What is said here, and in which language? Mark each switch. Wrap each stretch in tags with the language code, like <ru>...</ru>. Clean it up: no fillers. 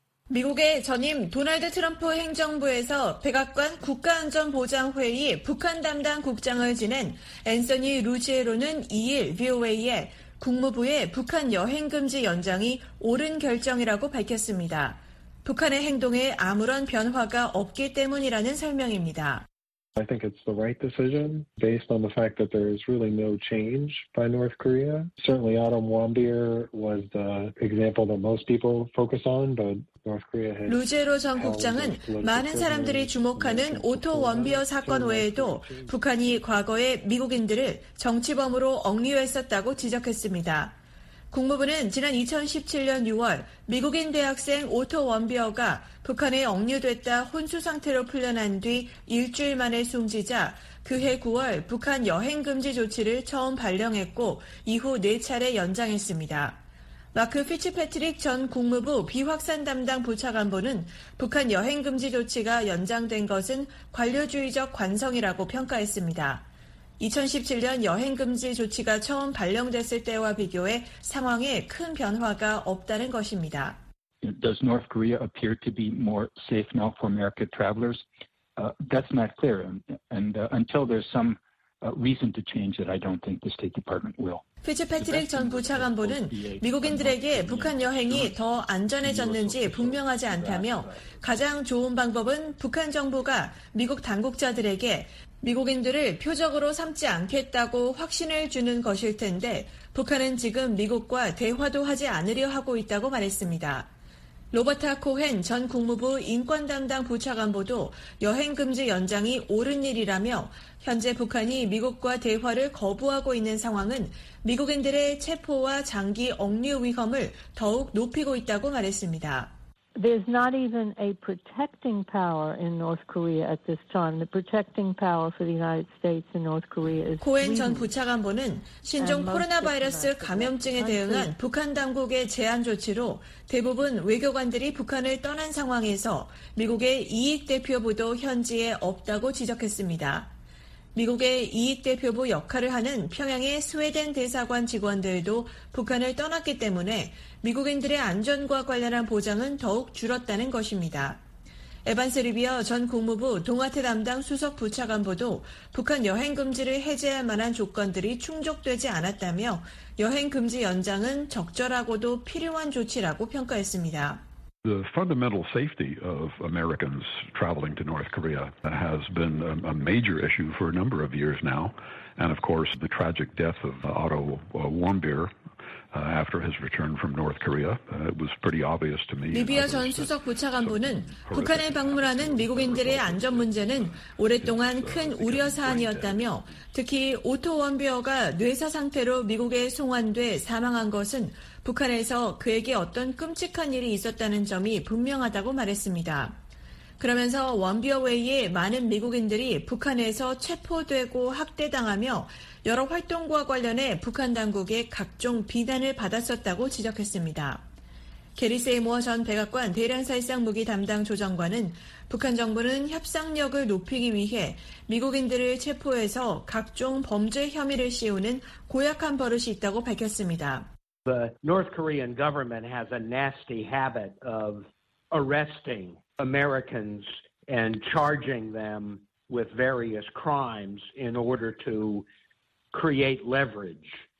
<ko>미국의 전임 도널드 트럼프 행정부에서 백악관 국가안전보장회의 북한 담당 국장을 지낸 앤서니 루지에로는 2일 VOA에 국무부의 북한 여행 금지 연장이 옳은 결정이라고 밝혔습니다. 북한의 행동에 아무런 변화가 없기 때문이라는 설명입니다.</ko> <en>I think it's the right decision based on the fact that there is really no change by North Korea. Certainly Autumn Wambir was the example that most people focus on, but North Korea has</en> <ko>루제로 전 국장은 많은 사람들이 주목하는 오토 원비어 사건 외에도 북한이 과거에 미국인들을 정치범으로 억류했었다고 지적했습니다. 국무부는 지난 2017년 6월 미국인 대학생 오토 원비어가 북한에 억류됐다 혼수 상태로 풀려난 뒤 일주일 만에 숨지자 그해 9월 북한 여행 금지 조치를 처음 발령했고 이후 4차례 연장했습니다. 마크 피츠패트릭 전 국무부 비확산 담당 부차관보는 북한 여행 금지 조치가 연장된 것은 관료주의적 관성이라고 평가했습니다. 2017년 여행 금지 조치가 처음 발령됐을 때와 비교해 상황에 큰 변화가 없다는 것입니다.</ko> <en>Does North Korea appear to be more safe now for American travelers? That's not clear. And until there's some reason to change it, I don't think the State Department will.</en> <ko>피츠패트릭 전 부차관보는 미국인들에게 북한 여행이 더 안전해졌는지 분명하지 않다며 가장 좋은 방법은 북한 정부가 미국 당국자들에게 미국인들을 표적으로 삼지 않겠다고 확신을 주는 것일 텐데 북한은 지금 미국과 대화도 하지 않으려 하고 있다고 말했습니다. 로버타 코헨 전 국무부 인권 담당 부차관보도 여행 금지 연장이 옳은 일이라며 현재 북한이 미국과 대화를 거부하고 있는 상황은 미국인들의 체포와 장기 억류 위험을 더욱 높이고 있다고 말했습니다.</ko> <en>There's not even a protecting power in North Korea at this time. The protecting power for the United States in North Korea is</en> <ko>코엔 전 부차관보는 신종 코로나 바이러스 감염증에 대응한 북한 당국의 제한 조치로 대부분 외교관들이 북한을 떠난 상황에서 미국의 이익 대표부도 현지에 없다고 지적했습니다. 미국의 이익 대표부 역할을 하는 평양의 스웨덴 대사관 직원들도 북한을 떠났기 때문에 미국인들의 안전과 관련한 보장은 더욱 줄었다는 것입니다. 에반스 리비어 전 국무부 동아태 담당 수석 부차관보도 북한 여행 금지를 해제할 만한 조건들이 충족되지 않았다며 여행 금지 연장은 적절하고도 필요한 조치라고 평가했습니다.</ko> <en>The fundamental safety of Americans traveling to North Korea has been a major issue for a number of years now. And of course, the tragic death of Otto Warmbier after his return from North Korea, it was pretty obvious to me.</en> <ko>리비아 전 수석 부차관보는 북한을 방문하는 미국인들의 안전 문제는 오랫동안 큰 우려 사안이었다며 특히 오토 원비어가 뇌사 상태로 미국에 송환돼 사망한 것은 북한에서 그에게 어떤 끔찍한 일이 있었다는 점이 분명하다고 말했습니다. 그러면서 원비어 외에 많은 미국인들이 북한에서 체포되고 학대당하며 여러 활동과 관련해 북한 당국의 각종 비난을 받았었다고 지적했습니다. 게리 세이모어 전 백악관 대량살상 무기 담당 조정관은 북한 정부는 협상력을 높이기 위해 미국인들을 체포해서 각종 범죄 혐의를 씌우는 고약한 버릇이 있다고 밝혔습니다.</ko> <en>The North Korean government has a nasty habit of arresting Americans and charging them with various crimes in order to create leverage</en>